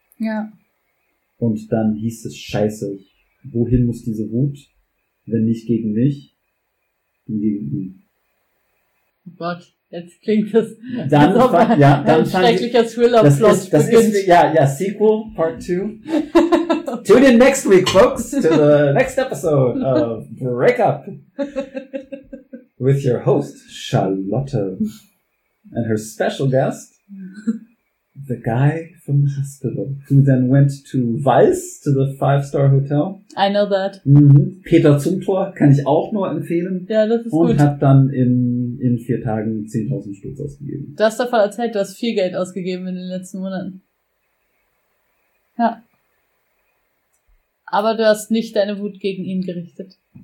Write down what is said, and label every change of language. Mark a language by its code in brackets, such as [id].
[de] Ja. Und dann hieß es, scheiße, wohin muss diese Wut, wenn nicht gegen mich, dann gegen ihn. Oh Gott, jetzt klingt das dann so ein schrecklicher Thriller-Plot. Das ist Sequel Part 2. [en] Tune in next week, folks, to the next episode of Breakup with your host, Charlotte. And her special guest, the guy from the hospital, who then went to Weiss, to the 5-star hotel. I know that. Mm-hmm. [de] Peter Zumthor kann ich auch nur empfehlen. Ja, das ist und gut. Und hat dann in 4 Tagen 10.000 Sturz ausgegeben. Du hast davon erzählt, du hast viel Geld ausgegeben in den letzten Monaten. Ja. Aber du hast nicht deine Wut gegen ihn gerichtet.